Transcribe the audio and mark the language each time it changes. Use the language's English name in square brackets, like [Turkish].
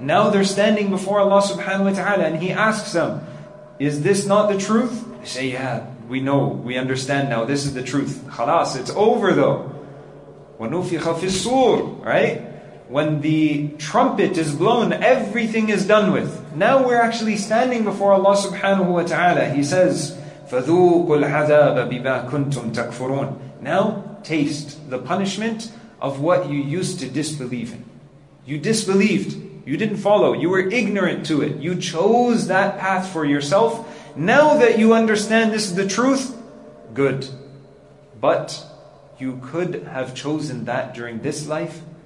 [English] Now they're standing before Allah subhanahu wa ta'ala and He asks them, is this not the truth? They say, yeah, we know, we understand now, this is the truth. خلاص, it's over though. [Arabic] وَنُفِخَ فِي الصُّورِ. Right? [English] When the trumpet is blown, everything is done with. Now we're actually standing before Allah subhanahu wa ta'ala. He says, [Arabic] فَذُوقُ الْعَذَابَ بِمَا كُنْتُمْ تَكْفُرُونَ. [English] Now, taste the punishment of what you used to disbelieve in. You disbelieved. You didn't follow. You were ignorant to it. You chose that path for yourself. Now that you understand this is the truth, good. But you could have chosen that during this life.